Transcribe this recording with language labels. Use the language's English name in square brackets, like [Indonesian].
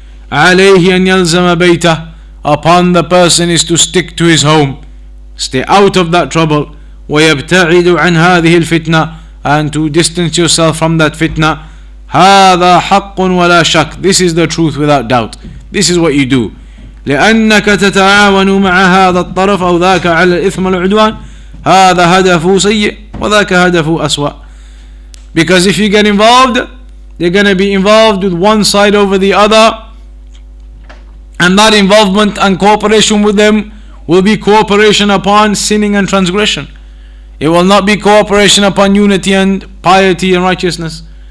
[Arabic] عليه أن يلزم بيته. [English] Upon the person is to stick to his home, stay out of that trouble. [Arabic] ويبتعد عن هذه الفتنة, [English] and to distance yourself from that fitna. [Arabic] هذا حق ولا شك. [English] This is the truth without doubt. This is what you do. [Arabic] لأنك تتعاون مع هذا الطرف أو ذاك على الإثم العدوان. هذا هدف سيء وذاك هدف أسوأ. [English] Because if you get involved, they're going to be involved with one side over the other. And that involvement and cooperation with them will be cooperation upon sinning and transgression. It will not be cooperation upon unity and piety and righteousness.